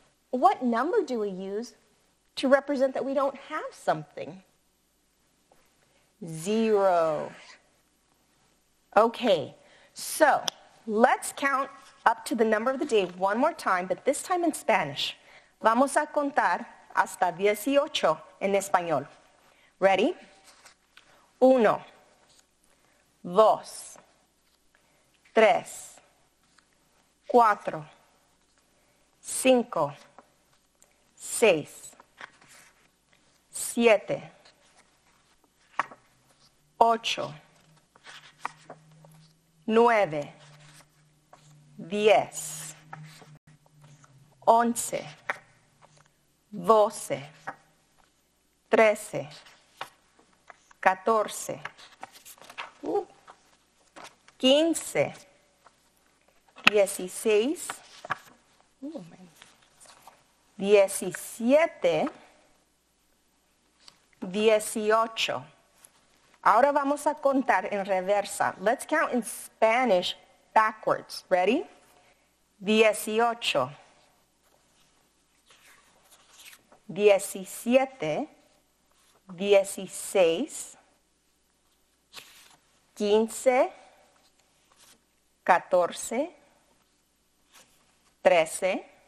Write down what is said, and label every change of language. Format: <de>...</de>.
<en>What number do we use to represent that we don't have something? Zero. Okay, so let's count up to the number of the day one more time, but this time in Spanish.</en> <es>Vamos a contar hasta 18 en español.</es> <en>Ready?</en> <es>Uno, dos, tres, cuatro, cinco, seis, siete, ocho, nueve, diez, once, doce, trece, catorce, quince, dieciséis, diecisiete, dieciocho. Ahora vamos a contar en reversa.</es> <en>Let's count in Spanish backwards. Ready? 18. 17. 16. 15. 14. 13.</en>